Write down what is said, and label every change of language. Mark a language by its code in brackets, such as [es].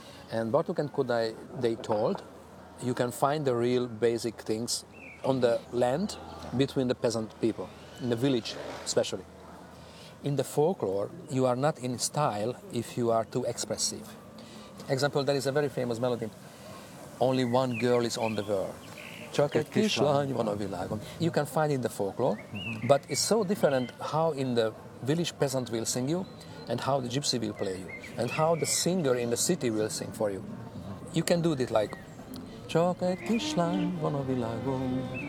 [en] And Bartók and Kodály, they told, you can find the real basic things on the land between the peasant people, in the village especially. In the folklore, you are not in style if you are too expressive. Example, there is a very famous melody. Only one girl is on the world. [hu] Csak egy kislány van a világon. [en] You can find it in the folklore, but it's so different how in the village peasant will sing you and how the gypsy will play you and how the singer in the city will sing for you. You can do this like [hu] Csak egy kislány van a világon.